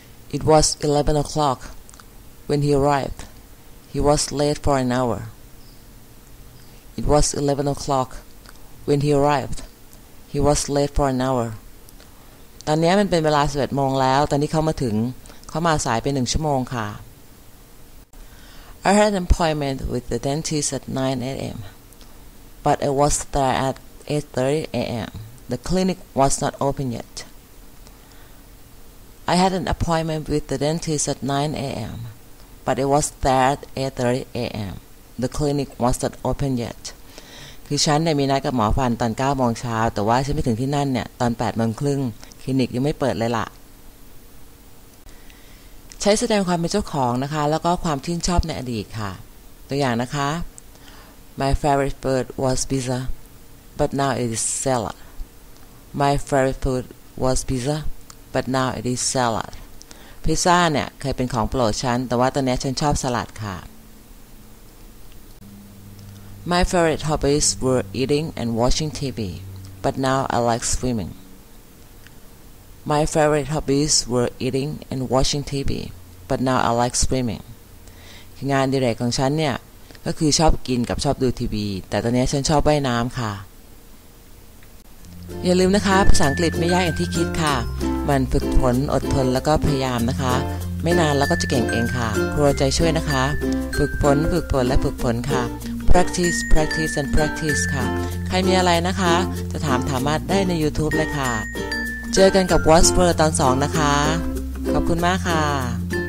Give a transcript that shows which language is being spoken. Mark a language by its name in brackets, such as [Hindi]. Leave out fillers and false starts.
[English] It was 11 o'clock when he arrived. He was late for an hour. It was 11 o'clock when he arrived. He was late for an hour. [Thai] ตอนนี้มันเป็นเวลา 11 โมงแล้วตอนนี้เขามาถึงเขามาสายไป 1 ชั่วโมงค่ะ [English] I had an appointment with the dentist at 9 a.m. but I was there at 8:30 a.m. The clinic was not open yet. I had an appointment with the dentist at 9 a.m. but it was there at 8:30 a.m. The clinic was not open yet. [Thai] คือฉันเนี่ยมีนัดกับหมอฟันตอน 9 โมงเช้าแต่ว่าฉันไม่ถึงที่นั่นเนี่ยตอน 8 โมงครึ่งคลินิกยังไม่เปิดเลยล่ะใช้แสดงความเป็นเจ้าของนะคะแล้วก็ความชื่นชอบในอดีตค่ะตัวอย่างนะคะ [English] My favorite bird was pizza, but now it is salad. My favorite food was pizza, but now it is salad. [Thai] พิซซ่าเนี่ยเคยเป็นของโปรดฉันแต่ว่าตอนนี้ฉันชอบสลัดค่ะ [English] My favorite hobbies were eating and watching TV, but now I like swimming. My favorite hobbies were eating and watching TV, but now I like swimming. [Thai] งานดิเรกของฉันเนี่ยก็คือชอบกินกับชอบดูทีวีแต่ตอนนี้ฉันชอบว่ายน้ำค่ะอย่าลืมนะคะภาษาอังกฤษไม่ยากอย่างที่คิดค่ะมันฝึกฝนอดทนแล้วก็พยายามนะคะไม่นานแล้วก็จะเก่งเองค่ะครูใจช่วยนะคะฝึกฝนฝึกฝนและฝึกฝนค่ะ [English] practice practice and practice [Thai] ค่ะใครมีอะไรนะคะจะถามสามารถได้ใน YouTube เลยค่ะเจอกันกับ Watch Word ตอน 2นะคะขอบคุณมากค่ะ